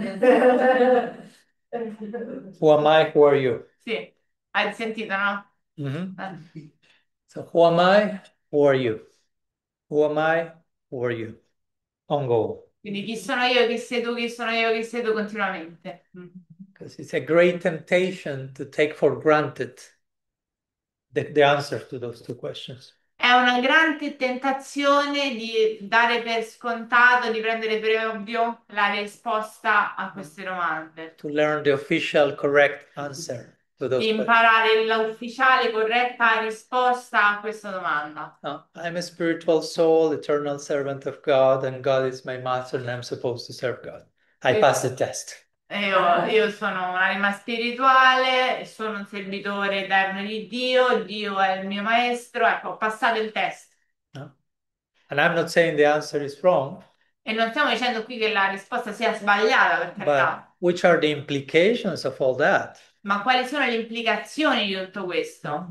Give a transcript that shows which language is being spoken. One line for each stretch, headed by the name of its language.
English: Who am I? Who are you?
Italian: Sì, hai sentito,
English: So, who am I? Who are you? Who am I? Who are you? Ongoing.
Italian: quindi chi sono io, chi sei tu, chi sono io, chi sei tu continuamente.
English: Because it's a great temptation to take for granted the answer to those two questions.
Italian: È una grande tentazione di dare per scontato, di prendere per ovvio la risposta a queste domande.
English: To learn the official correct answer to
Italian: Di
English: those questions.
Italian: imparare l'ufficiale corretta risposta a questa domanda.
English: No, I'm a spiritual soul, eternal servant of God, and God is my master, and I'm supposed to serve God. I passed the test.
Italian: Io sono un'anima spirituale, sono un servitore eterno di Dio, Dio è il mio maestro, ecco, ho passato il test.
English: And I'm not saying the answer is wrong,
Italian: E non stiamo dicendo qui che la risposta sia sbagliata,
English: but
Italian: per
English: which are the implications of all that?
Italian: carità. Ma quali sono le implicazioni di tutto questo?